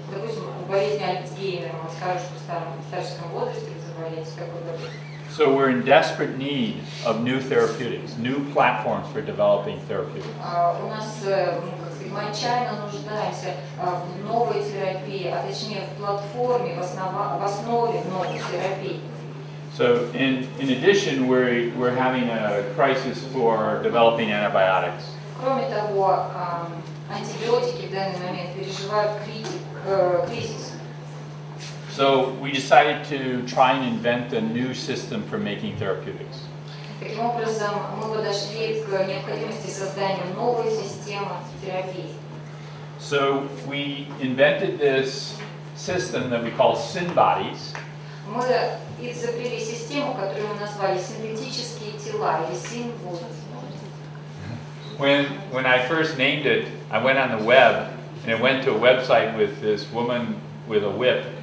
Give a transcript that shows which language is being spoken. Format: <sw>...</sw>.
<ru>допустим, у болезни Альцгеймера вам скажут, что в старшем возрасте вы заболеете, как вы говорите.</ru> <en>So we're in desperate need of new therapeutics, new platforms for developing therapeutics.</en> <ru>У нас, мы отчаянно нуждаемся в новой терапии, а точнее в платформе, в основе новой терапии.</ru> <en>So in addition, we're having a crisis for developing antibiotics.</en> <ru>Кроме того, антибиотики в данный момент переживают кризис.</ru> <en>So we decided to try and invent a new system for making therapeutics.</en> <ru>Таким образом, мы подошли к необходимости создания новой системы терапии.</ru> <en>So we invented this system that we call SynBodies.</en> <ru>Мы изобрели систему, которую мы назвали синтетические тела или SynBodies.</ru> <en>When I first named it, I went on the web and I went to a website with this woman with a whip.</en>